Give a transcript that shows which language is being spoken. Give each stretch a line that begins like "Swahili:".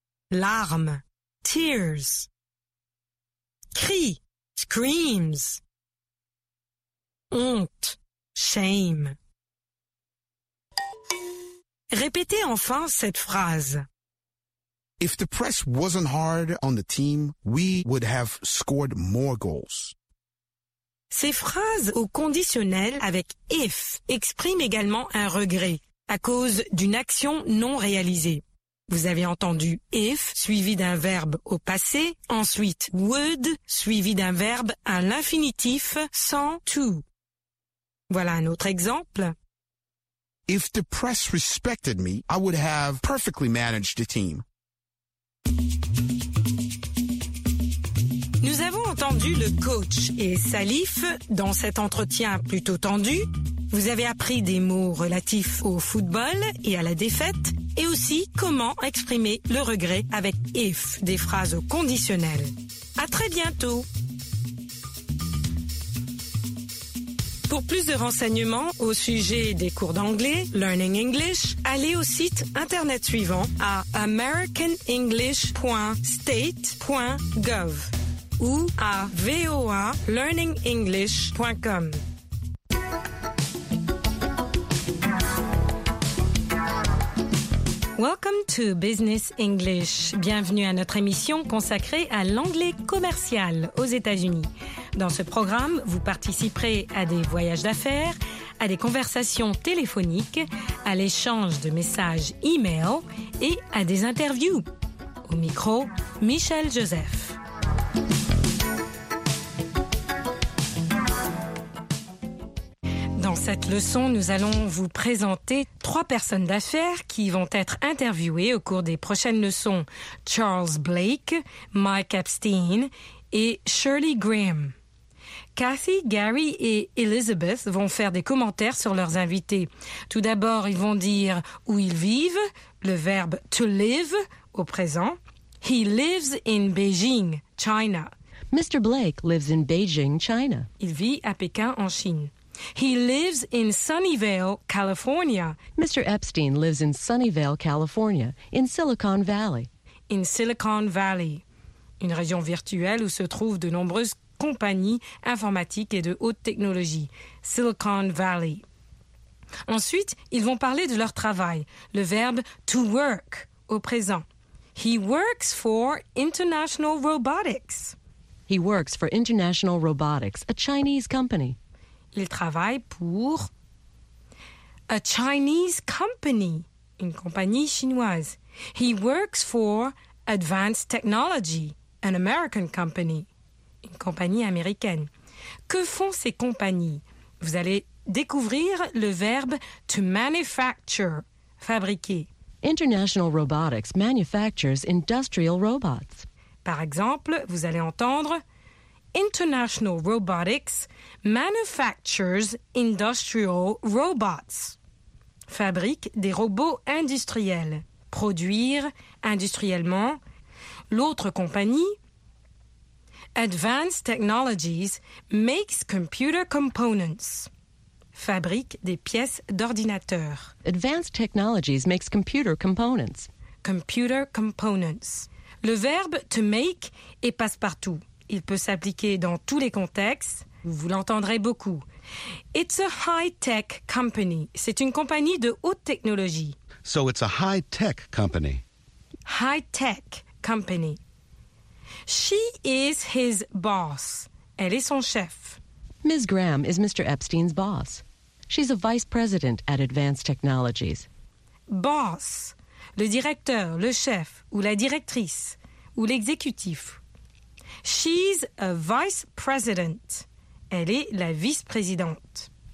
French: Larmes,
English: tears.
French: Cris,
English: screams.
French: Honte,
English: shame.
French: Répétez enfin cette phrase.
English: If the press wasn't hard on the team, we would have scored more goals.
French: Ces phrases au conditionnel avec if expriment également un regret à cause d'une action non réalisée. Vous avez entendu if suivi d'un verbe au passé, ensuite would suivi d'un verbe à l'infinitif sans to. Voilà un autre exemple.
English: If the press respected me, I would have perfectly managed the team.
French: Nous avons entendu le coach et Salif dans cet entretien plutôt tendu. Vous avez appris des mots relatifs au football et à la défaite et aussi comment exprimer le regret avec if, des phrases conditionnelles. À très bientôt. Pour plus de renseignements au sujet des cours d'anglais, Learning English, allez au site internet suivant à americanenglish.state.gov ou à voalearningenglish.com.
English: Welcome to Business English.
French: Bienvenue à notre émission consacrée à l'anglais commercial aux États-Unis. Dans ce programme, vous participerez à des voyages d'affaires, à des conversations téléphoniques, à l'échange de messages e-mail et à des interviews. Au micro, Michel Joseph. Dans cette leçon, nous allons vous présenter trois personnes d'affaires qui vont être interviewées au cours des prochaines leçons. Charles Blake, Mike Epstein et Shirley Graham. Kathy, Gary et Elizabeth vont faire des commentaires sur leurs invités. Tout d'abord, ils vont dire où ils vivent, le verbe to live au présent.
English: He lives in Beijing, China. Mr. Blake lives in Beijing, China.
French: Il vit à Pékin, en Chine.
English: He lives in Sunnyvale, California. Mr. Epstein lives in Sunnyvale, California, in Silicon Valley.
French: In Silicon Valley, une région virtuelle où se trouvent de nombreuses compagnies informatiques et de haute technologie. Silicon Valley. Ensuite, ils vont parler de leur travail, le verbe to work au présent.
English: He works for International Robotics. He works for International Robotics, a Chinese company.
French: Il travaille pour
English: a Chinese company,
French: une compagnie chinoise.
English: He works for Advanced Technology, an American company,
French: une compagnie américaine. Que font ces compagnies? Vous allez découvrir le verbe to manufacture, fabriquer.
English: International Robotics manufactures industrial robots.
French: Par exemple, vous allez entendre
English: International Robotics manufactures industrial robots.
French: Fabrique des robots industriels. Produire industriellement. L'autre compagnie, Advanced Technologies
English: makes computer components.
French: Fabrique des pièces d'ordinateur.
English: Advanced Technologies makes computer components. Computer components.
French: Le verbe to make est passe-partout. Il peut s'appliquer dans tous les contextes. Vous l'entendrez beaucoup.
English: It's a high-tech company.
French: C'est une compagnie de haute technologie.
English: So it's a high-tech company. High-tech company. She is his boss.
French: Elle est son chef.
English: Ms. Graham is Mr. Epstein's boss. She's a vice president at Advanced Technologies. Boss.
French: Le directeur, le chef, ou la directrice, ou l'exécutif.
English: She's a vice president.
French: Elle est la vice-présidente.